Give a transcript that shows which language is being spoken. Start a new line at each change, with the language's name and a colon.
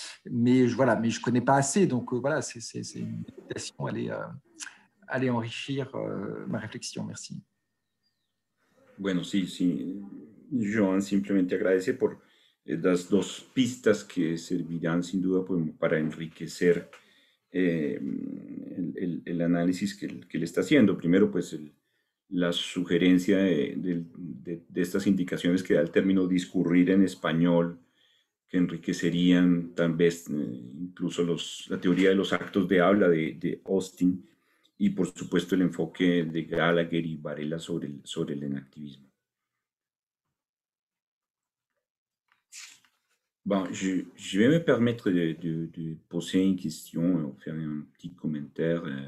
French: Mais je ne connais pas assez. Donc voilà, c'est une invitation à aller enrichir ma réflexion. Merci.
Spanish: Bueno, sí. Joan, simplemente agradece por las dos pistas que servirán sin duda para enriquecer el análisis que le está haciendo. Primero, pues la sugerencia de estas indicaciones que da el término discurrir en español, que enriquecerían tal vez incluso la teoría de los actos de habla de Austin y por supuesto el enfoque de Gallagher y Varela sobre el enactivismo.
French: Bon, je vais me permettre de poser une question, faire un petit commentaire.